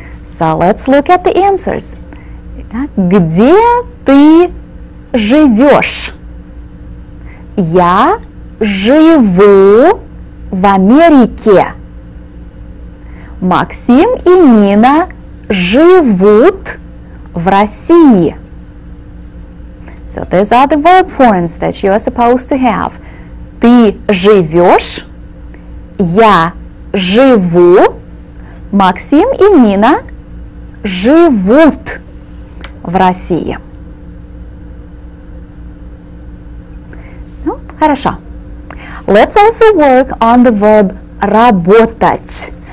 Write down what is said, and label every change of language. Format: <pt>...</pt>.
<en>So let's look at the answers.</en> <ru>Так, где ты живешь? Я живу в Америке. Максим и Нина живут в России.</ru> <en>So these are the verb forms that you are supposed to have.</en> <ru>Ты живешь, Я живу. Максим и Нина живут в России. Ну, хорошо.</ru> <en>Let's also work on the verb работать.</en>